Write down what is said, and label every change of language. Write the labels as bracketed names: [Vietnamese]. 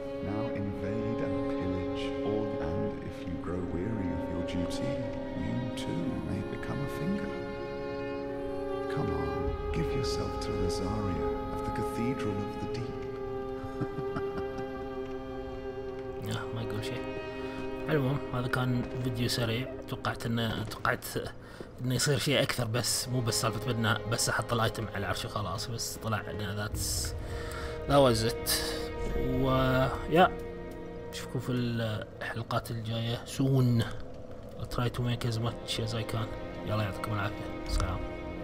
[English] Now invade and pillage, or and if you grow weary of your duty, you too may become a finger. Come on, give yourself to Rosaria of the Cathedral of the Deep. [Arabic] Yeah, ما يقول شيء. المهم هذا كان فيديو سريع. توقعت إنه يصير شيء أكثر بس مو بس سالفة بدنا بس أحط الأيتم على العرش وخلاص بس طلع إنه [English] that was it. [Arabic] ويا اشوفكم في الحلقات الجايه [English] soon. I'll try to make as much as I can. [Arabic] يلا يعطيكم العافيه. سلام.